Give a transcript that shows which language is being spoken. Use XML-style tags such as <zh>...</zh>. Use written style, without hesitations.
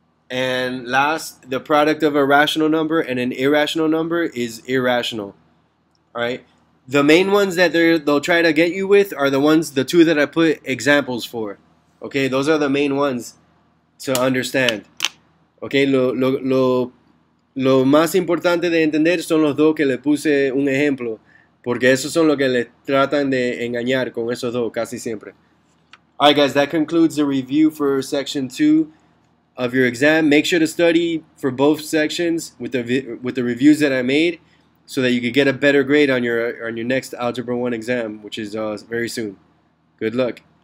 <en>And last, the product of a rational number and an irrational number is irrational. All right. The main ones that they'll try to get you with are the two that I put examples for. Okay, those are the main ones to understand.</en> <es>Okay, lo más importante de entender son los dos que le puse un ejemplo. Porque esos son lo que les tratan de engañar con esos dos, casi siempre.</es> <en>Alright guys, that concludes the review for section 2 of your exam. Make sure to study for both sections with the reviews that I made so that you could get a better grade on your next Algebra 1 exam, which is very soon. Good luck.</en>